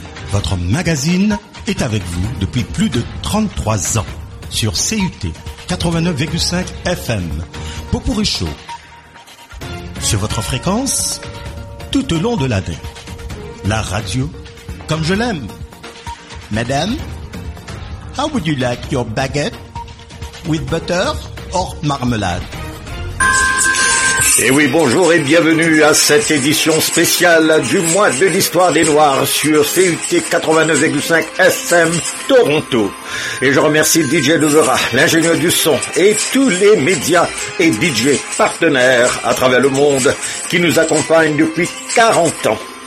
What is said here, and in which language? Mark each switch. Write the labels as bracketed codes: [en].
[fr] Votre magazine est avec vous depuis plus de 33 ans. Sur CUT 89,5 FM, Popouri Show, sur votre fréquence, tout au long de l'année, la radio, comme je l'aime. [en] Madame, how would you like your baguette, with butter or marmelade? [fr] Et oui, bonjour et bienvenue à cette édition spéciale du mois de l'histoire des Noirs sur CUT 89,5 FM Toronto. Et je remercie DJ Devera, l'ingénieur du son et tous les médias et DJ partenaires à travers le monde qui nous accompagnent depuis 40 ans.